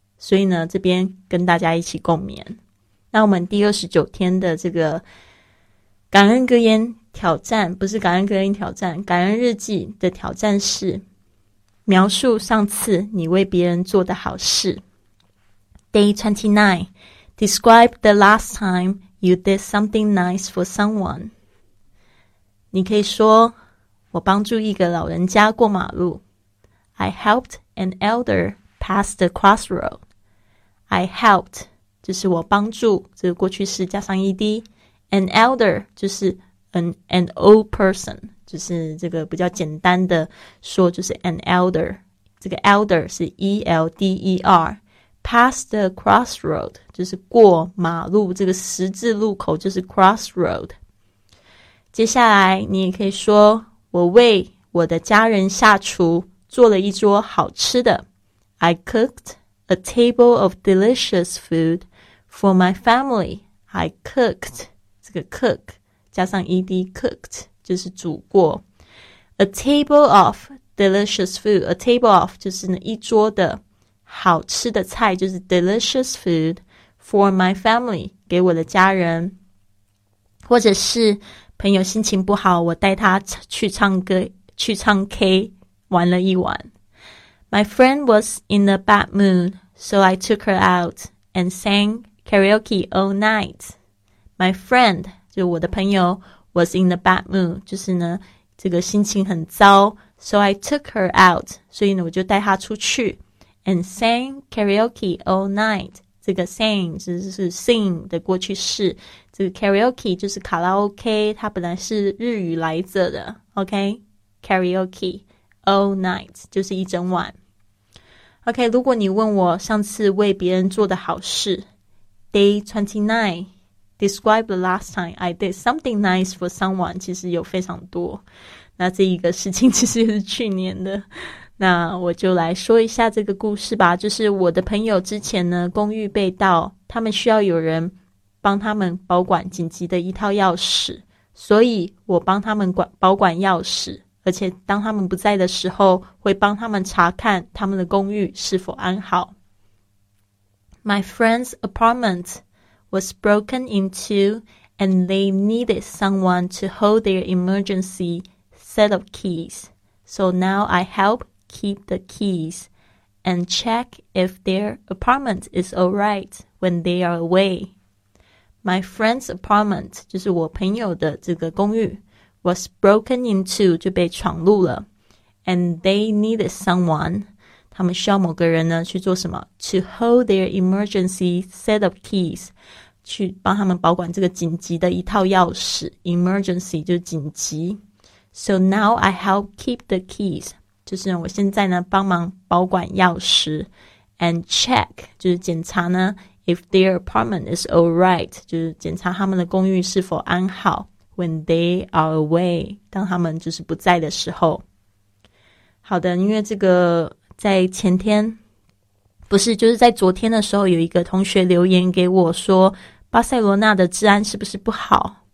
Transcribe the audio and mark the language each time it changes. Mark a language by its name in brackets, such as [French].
[Chinese] 所以呢这边跟大家一起共勉。那我们第29天的这个感恩格言挑战，不是感恩格言挑战，感恩日记的挑战是描述上次你为别人做的好事。 [English] Day 29, Describe the last timeYou did something nice for someone. [Chinese] 你可以说，我帮助一个老人家过马路。 [English] I helped an elder pass the crossroad. I helped, [Chinese] 就是我帮助，这个过去式加上 ed, [English] an elder, [Chinese] 就是 [English] an old person, [Chinese] 就是这个比较简单的说就是 [English] an elder, [Chinese] 这个 [English] elder [Chinese] 是 [English] E-L-D-E-R, pass the crossroad, [Chinese] 就是过马路这个十字路口就是 [English] crossroad。 [Chinese] 接下来你也可以说我为我的家人下厨做了一桌好吃的。 [English] I cooked a table of delicious food for my family. I cooked, [Chinese] 这个 cook, 加上 ed, cooked, 就是煮过。 [English] A table of delicious food, a table of [Chinese] 就是一桌的好吃的菜，就是 [English] delicious food for my family, [Chinese] 给我的家人。或者是朋友心情不好，我带他去唱歌，去唱 K, 玩了一晚。 [English] My friend was in a bad mood, so I took her out and sang karaoke all night. My friend, [Chinese] 就我的朋友, [English] was in a bad mood, [Chinese] 就是呢,这个心情很糟, [English] so I took her out, [Chinese] 所以呢我就带她出去, [English] and sang karaoke all night. [Chinese] 这个 sang, 就是 sing 的过去式。这个 karaoke 就是卡拉 OK, 它本来是日语来着的, [English] OK? Karaoke. All night, [Chinese] 就是一整晚。 [English] OK, [Chinese] 如果你问我上次为别人做的好事 [English] Day 29, describe the last time I did something nice for someone, [Chinese] 其实有非常多。那这一个事情其实是去年的。那我就来说一下这个故事吧，就是我的朋友之前呢，公寓被盗，他们需要有人帮他们保管紧急的一套钥匙，所以我帮他们保管钥匙。而且当他们不在的时候会帮他们查看他们的公寓是否安好。 [English] My friend's apartment was broken into and they needed someone to hold their emergency set of keys. So now I help keep the keys and check if their apartment is alright when they are away. My friend's apartment [Chinese] 就是我朋友的这个公寓 [English] was broken into, [Chinese] 就被闯入了。 [English] And they needed someone, [Chinese] 他们需要某个人呢去做什么 [English] ?To hold their emergency set of keys, [Chinese] 去帮他们保管这个紧急的一套钥匙。 Emergency 就是紧急。 [English] So now I help keep the keys, [Chinese] 就是我现在呢帮忙保管钥匙。 [English] And check, [Chinese] 就是检查呢 , [English] if their apartment is alright, [Chinese] 就是检查他们的公寓是否安好。 [English] When they are away, [Chinese] 当他们就是不在的时候。好的，因为这个在前天，不是，就是在昨天的时候，有一个同学留言给我说，巴塞罗那的治安是不是不好？